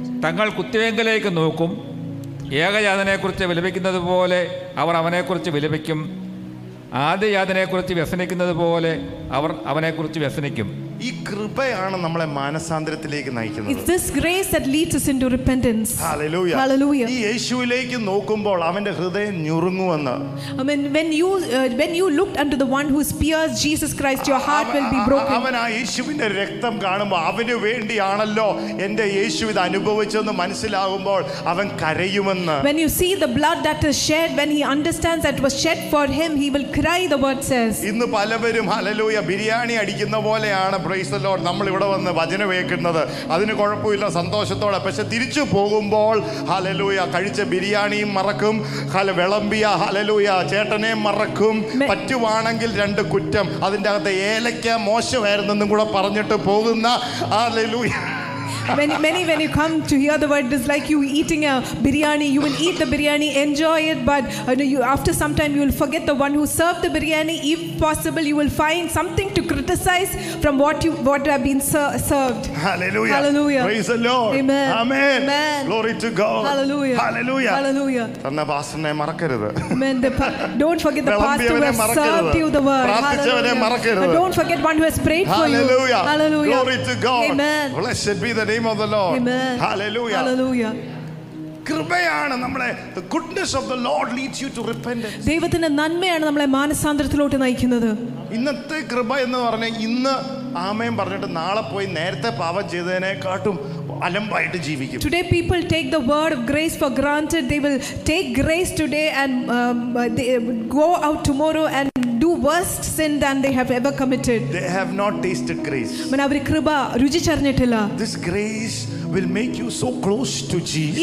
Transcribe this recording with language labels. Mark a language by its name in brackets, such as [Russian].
[Malayalam] tangal kutivengalekku nokkum ഏകയാതനെ കുറിച്ച് വിലപിക്കുന്നത് പോലെ അവർ അവനെ കുറിച്ച് വിലപിക്കും ആദ്യയാതനെ കുറിച്ച് വ്യസനിക്കുന്നത് പോലെ അവർ അവനെ കുറിച്ച് വ്യസനിക്കും ഈ കൃപയാണ് നമ്മളെ മാനസാന്തരത്തിലേക്ക് നയിക്കുന്നത് [English] It's this grace that leads us into repentance. Hallelujah. Hallelujah. [Malayalam] ഈ യേശുവിലേക്ക് നോക്കുമ്പോൾ അവന്റെ ഹൃദയം ഞുറുങ്ങുവെന്ന് [English] I mean when you looked unto the one who pierced Jesus Christ your heart will be broken. [Malayalam] അവൻ ആ യേശുവിന്റെ രക്തം കാണുമ്പോൾ അവനു വേണ്ടിയാണല്ലോ എൻ്റെ യേശു ഇത് അനുഭവിച്ചെന്ന് മനസ്സിലാകുമ്പോൾ അവൻ കരയുമെന്ന് [English] When you see the blood that is shed when he understands that it was shed for him he will cry the word says. [Malayalam] ഇന്ന് പലവരും hallelujah ബിരിയാണി അടിക്കുന്ന പോലെയാണ് [English] praise the lord [Malayalam] നമ്മൾ ഇവിടെ വന്ന് വചനം കേൾക്കുന്നത് അതിന് കുഴപ്പമില്ല സന്തോഷത്തോടെ പക്ഷെ തിരിച്ചു പോകുമ്പോൾ ഹല്ലേലൂയ കഴിച്ച ബിരിയാണിയും മറക്കും വിളമ്പിയ ഹല്ലേലൂയ ചേട്ടനെയും മറക്കും പറ്റുവാണെങ്കിൽ രണ്ട് കുറ്റം അതിന്റെ അകത്ത് ഏലക്ക മോശമായിരുന്നെന്നും കൂടെ പറഞ്ഞിട്ട് പോകുന്ന hallelujah [English] when you come to hear the word is like you eating a biryani you will eat the biryani enjoy it but you after some time you will forget the one who served the biryani if possible you will find something to criticize from what have been served hallelujah hallelujah praise the lord amen amen, amen. Glory to god hallelujah hallelujah hallelujah [Malayalam] thanna vasane marakkarathu [English] amen don't forget the pastor who has served you the word hallelujah don't forget one who has prayed for hallelujah. You hallelujah hallelujah glory to god amen blessed be the name of the lord amen hallelujah hallelujah [Malayalam] കൃപയാണ് നമ്മളെ [English] the goodness of the lord leads you to repentance [Malayalam] ദൈവത്തിന്റെ നന്മയാണ് നമ്മളെ മാനസാന്തരത്തിലോട്ട് നയിക്കുന്നത് ഇന്നത്തെ കൃപ എന്ന് പറഞ്ഞാൽ ഇന്ന് ആമേൻ പറഞ്ഞിട്ട് നാളെ പോയി നേരത്തെ പാപം ചെയ്തതിനേക്കാട്ടും അലമ്പായിട്ട് ജീവിക്കും [English] today people take the word of grace for granted they will take grace today and go out tomorrow and do worst sin than they have ever committed. They have not tasted grace. [Malayalam] Manavri kriba ruji charnittilla. [English] This grace will make you so close to Jesus.